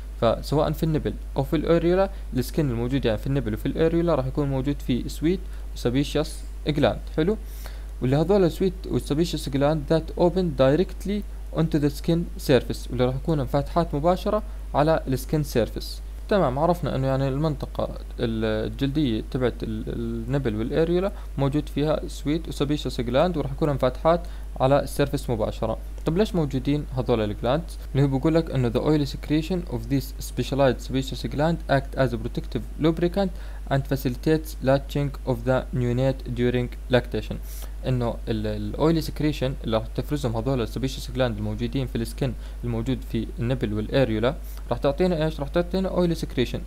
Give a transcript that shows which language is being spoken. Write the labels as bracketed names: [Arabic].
[Arabic] فسواء في النبل او في الاريولا، السكن الموجود يعني في النبل وفي الاريولا راح يكون موجود فيه سويت وسبيشيس جلاند، حلو؟ واللي هذول السويت والسبيشيس جلاند [English] that open directly onto the skin surface, [Arabic] واللي راح يكون فتحات مباشرة على السكن سيرفيس. تمام، عرفنا انه يعني المنطقة الجلدية تبعت النبل والاريولا موجود فيها سويت وسبيشيس جلاند، وراح يكون فاتحات على السيرفس مباشرة. طب ليش موجودين هذول الجلاندز؟ اللي هو بيقول لك انه [English] the oil secretion of this specialized sebaceous gland act as a protective lubricant and facilitates latching of the neonate during lactation. [Arabic] انه الاويلي سكريشن اللي راح تفرزهم هذول السبيشس جلاند الموجودين في السكن الموجود في النبل والاريولا راح تعطينا ايش؟ راح تعطينا اويلي سكريشن.